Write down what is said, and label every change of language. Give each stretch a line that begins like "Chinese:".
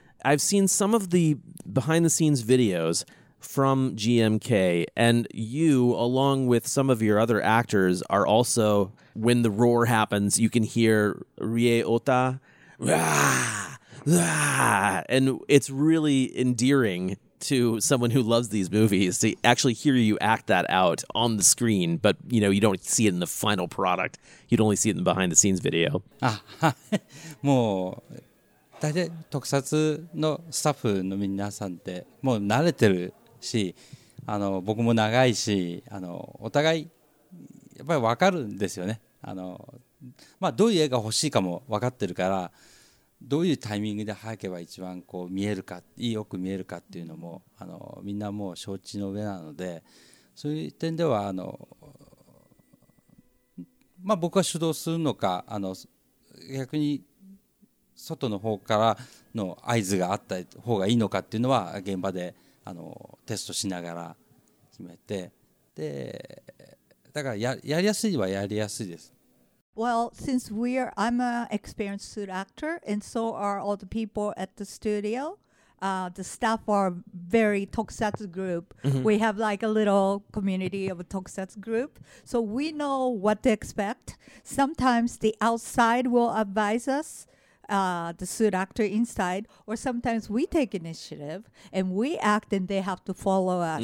English: I've seen some of the behind-the-scenes videos from GMK, and you, along with some of your other actors, are also, when the roar happens, you can hear Rie Ota, rah, rah, and it's really endearing to someone who loves these movies to actually hear you act that out on the screen, but you know, you don't see it in the final product. You'd only see it in the behind-the-scenes video. More...
Japanese: 大体特撮のスタッフの皆さんってもう慣れてるし、あの僕も長いし、あのお互いやっぱり分かるんですよね。あの、まあ、どういう絵が欲しいかも分かってるから、どういうタイミングで吐けば一番こう見えるか、よく見えるかっていうのも、あのみんなもう承知の上なので、そういう点ではあの、まあ、僕は主導するのか、あの逆に外の方からの合図があった方がいいのかっていうのは現場であのテストしながら決めて、でだから やりやすいはやりやすいです。
English: Well, since we are, I'm an experienced suit actor and so are all the people at the studio. The staff are very tokusatsu group. Mm-hmm. We have like a little community of a tokusatsu group. So we know what to expect. Sometimes the outside will advise us, the suit actor inside, or sometimes we take initiative and we act and they have to follow us.